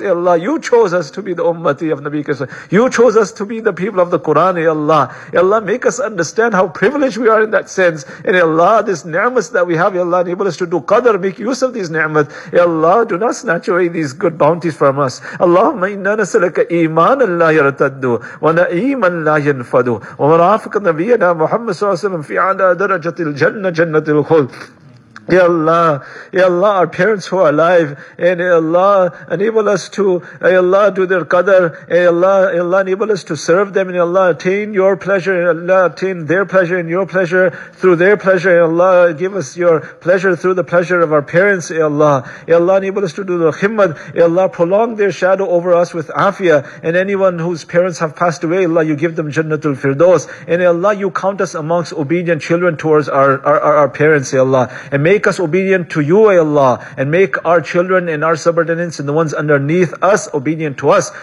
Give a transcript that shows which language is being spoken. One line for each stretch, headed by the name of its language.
English: Ya Allah, you chose us to be the ummati of Nabi Kareem. You chose us to be the people of the Quran. Ya Allah, ya Allah, make us understand how privileged we are in that sense. And ya Allah, this ni'mat that we have, ya Allah, enable us to do qadr, make use of these ni'mat. Ya Allah, do not snatch away these good bounties from us.
Arabic: اللهم إنا نسألك إيمانا لا يرتد ونعيما لا ينفد ومرافق نبينا محمد صلى الله عليه وسلم في على درجة الجنة جنة الخلد.
English: Ya Allah, ya Allah, our parents who are alive, and ya Allah, enable us to, ya Allah, do their qadr, ya Allah, enable us to serve them, and ya Allah, attain your pleasure, ya Allah, attain their pleasure and your pleasure through their pleasure, ya Allah, give us your pleasure through the pleasure of our parents, ya Allah, enable us to do the khimmat, ya Allah, prolong their shadow over us with afia, and anyone whose parents have passed away, ya Allah, you give them jannatul firdos, and ya Allah, you count us amongst obedient children towards our parents, ya Allah, and make us obedient to you, ya Allah, and make our children and our subordinates and the ones underneath us obedient to us.